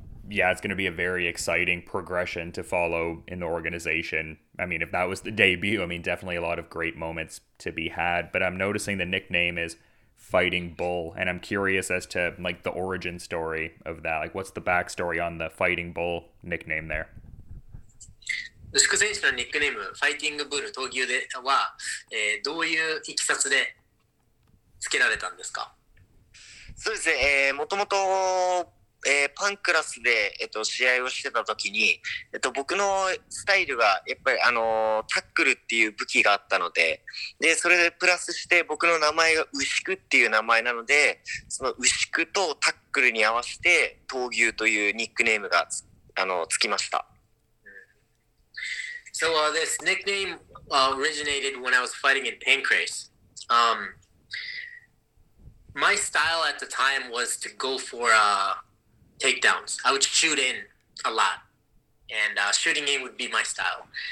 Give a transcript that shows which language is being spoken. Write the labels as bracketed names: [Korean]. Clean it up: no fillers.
[English] Yeah, it's going to be a very exciting progression to follow in the organization. I mean, if that was the debut, I mean, definitely a lot of great moments to be had. But I'm noticing the nickname is Fighting Bull, and I'm curious as to like the origin story of that. Like, what's the backstory on the Fighting Bull nickname there? [Japanese] 牛久選手のニックネーム、ファイティングブル、闘牛では、どういう経緯でつけられたんですか？そうですね、もともとパンクラスで、試合をしてた時に、僕のスタイルがやっぱり、タックルっていう武器があったので、でそれでプラスして僕の名前が牛久っていう名前なので、その牛久とタックルに合わせて闘牛というニックネームがつきました。 [English] So this nickname originated when I was fighting in Pancras. My style at the time was to go for takedowns. I would shoot in a lot, and shooting in would be my style.